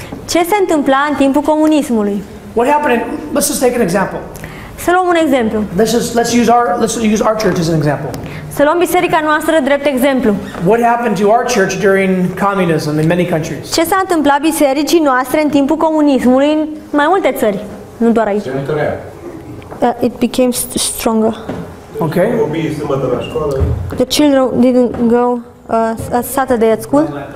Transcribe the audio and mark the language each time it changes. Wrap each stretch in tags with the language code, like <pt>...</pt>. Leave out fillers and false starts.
<ro>Ce se întâmpla în timpul comunismului?</ro> <en>What happened? Let's just take an example.</en> <ro>Să luăm un exemplu.</ro> <en>Let's use our church as an example.</en> <ro>Să luăm biserica noastră drept exemplu.</ro> <en>What happened to our church during communism in many countries?</en> <ro>Ce s-a întâmplat bisericii noastre în timpul comunismului în mai multe țări, nu doar aici?</ro> <en>It became stronger. Okay. The children didn't go a Saturday at school.</en>